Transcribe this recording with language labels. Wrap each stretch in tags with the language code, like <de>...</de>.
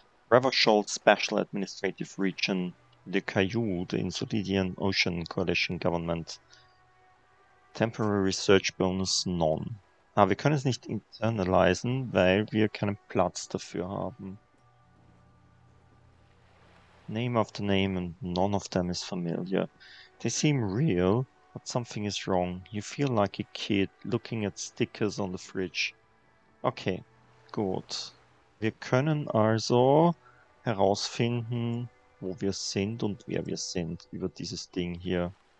<en>Revachol's Special Administrative Region, the Caillou, the Insolidian Ocean Coalition Government. Temporary Research Bonus, none.</en> <de>Ah, wir können es nicht internalisieren, weil wir keinen Platz dafür haben.</de> <en>Name after name and none of them is familiar. They seem real, but something is wrong. You feel like a kid looking at stickers on the fridge.</en> <de>Okay, gut. Wir können also herausfinden, wo wir sind und wer wir sind über dieses Ding hier.</de>